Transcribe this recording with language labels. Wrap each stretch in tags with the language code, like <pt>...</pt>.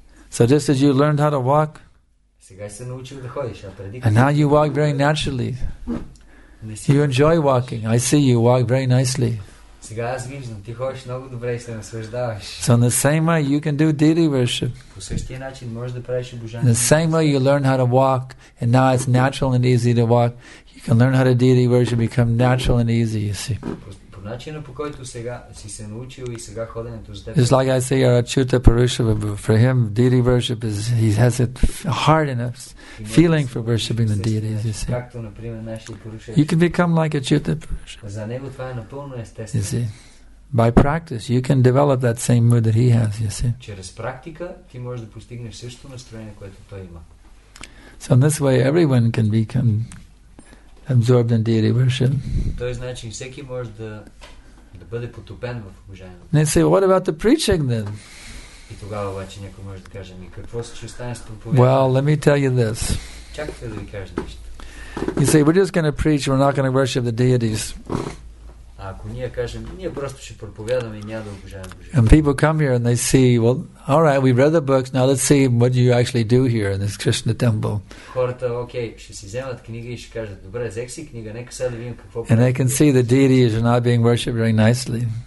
<en>So just as you learned how to walk, and now you walk very naturally. You enjoy walking. I see you walk very nicely.</en> <bg>Сега аз виждам, ти ходиш много добре и се наслаждаваш.</bg> <en>So in the same way you can do deity worship.</en> <bg>По същия начин можеш да правиш обожание.</bg> <en>In the same way you learn how to walk and now it's natural and easy to walk, you can learn how to deity worship, become natural and easy, you see.</en> <bg>По начина по който сега си се научил и сега ходенето с теб.</bg> <en>It's like I say, you're Achyuta Purushava, but for him, deity worship is, he has it hard enough feeling for worshiping the deities, you see.</en> <bg>Както, например, нашия Purushava.</bg> <en>You can become like Achyuta Purushava.</en> <bg>За него това е напълно естествено.</bg> <en>You see. By practice, you can develop that same mood that he has, you see.</en> <bg>Чрез практика, ти можеш да постигнеш същото настроение, което той има.</bg> <en>So in this way, everyone can become absorbed in deity worship.</en> <bg>Тоест, значи, всеки може да, да бъде потопен в обожанието.</bg> <en>And they say, what about the preaching then?</en> <bg>И тогава обаче някой може да каже, ми какво се ще стане с проповедта?</bg> <en>Well, let me tell you this.</en> <bg>Чакайте да ви кажа нещо.</bg> <en>You say, we're just going to preach, we're not going to worship the deities.</en> <bg>А ако ние кажем, ние просто ще проповядаме и няма да обожаваме Божието.</bg> <en>And people come here and they see, well, all right, we've read the books, now let's see what you actually do here in this Krishna temple.</en> <bg>Хората, окей, ще си вземат книга и ще кажат, добре, взех си книга, нека сега да видим какво.</bg> <en>And they can see the deities are not being worshipped very nicely.</en>